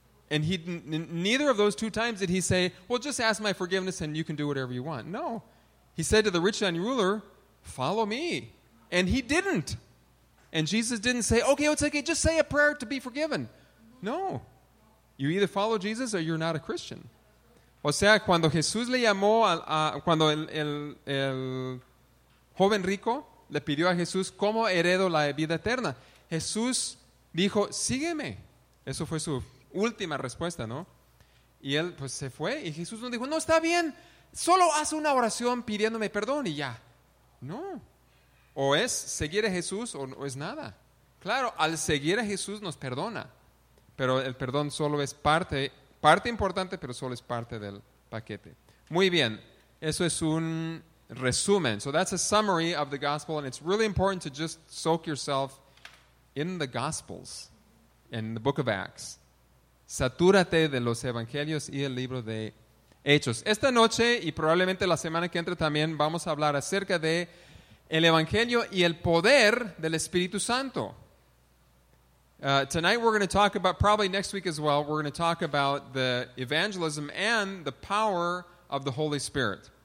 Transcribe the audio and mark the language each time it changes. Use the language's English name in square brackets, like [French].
[English] And he, neither of those two times did he say, well, just ask my forgiveness and you can do whatever you want. No. He said to the rich young ruler, follow me. And he didn't. And Jesus didn't say, okay, just say a prayer to be forgiven. No. You either follow Jesus or you're not a Christian. [Spanish] O sea, cuando Jesús le llamó, cuando el joven rico le pidió a Jesús, ¿cómo heredo la vida eterna? Jesús dijo, sígueme. Eso fue su última respuesta, ¿no? Y él pues se fue y Jesús no dijo, no, está bien, solo haz una oración pidiéndome perdón y ya. No. O es seguir a Jesús o no es nada. Claro, al seguir a Jesús nos perdona, pero el perdón solo es parte importante, pero solo es parte del paquete. Muy bien. Eso es un resumen. [English] So that's a summary of the gospel, and it's really important to just soak yourself in the gospels, in the book of Acts. [Spanish] Satúrate de los evangelios y el libro de Hechos. Esta noche, y probablemente la semana que entra también, vamos a hablar acerca de el evangelio y el poder del Espíritu Santo. [English] Tonight we're going to talk about, probably next week as well, we're going to talk about the evangelism and the power of the Holy Spirit.